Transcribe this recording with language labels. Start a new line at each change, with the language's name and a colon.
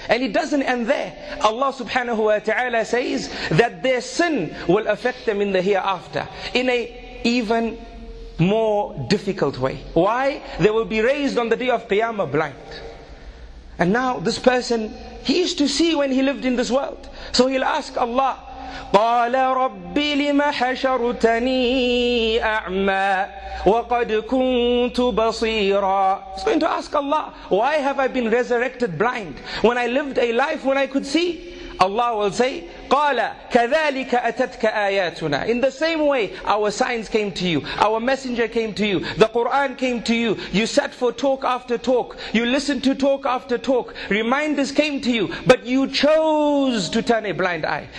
English: And it doesn't end there. Allah subhanahu wa ta'ala says that their sin will affect them in the hereafter in a even more difficult way. Why? They will be raised on the day of Qiyamah blind. And now this person, he used to see when he lived in this world. So he'll ask Allah,
Arabic: قال ربي لما حشرتني أعمى وقد كنت بصيرا.
English: He's going to ask Allah, why have I been resurrected blind when I lived a life when I could see? Allah will say,
Arabic: قال كذلك أتتك آياتنا.
English: In the same way, our signs came to you, our messenger came to you, the Quran came to you, you sat for talk after talk, you listened to talk after talk, reminders came to you, but you chose to turn a blind eye.